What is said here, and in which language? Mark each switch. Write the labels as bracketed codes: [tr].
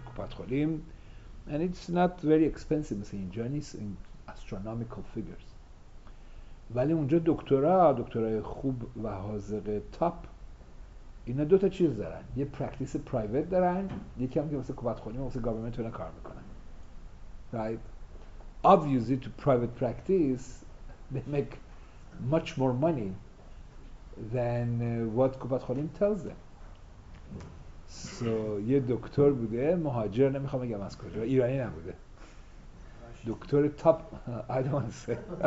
[en] Kupat Holim and it's not very expensive [fa] مثل اینجا نیست [en] in astronomical figures. [fa] ولی اونجا دکترای خوب و حاذق تاپ اینا دو تا چیز دارن. یه پرکتیس پرایوت دارن، یکی هم که مثل کوپاتخالیم واسه گورنمنت اونها کار میکنن. [en] Right? Obviously to private practice they make much more money than what Kupat Holim tells them. [fa] So یه دکتر بوده مهاجر، نمیخوام بگم از کجا، ایرانی نبوده، دکتر top [en] I don't want to say.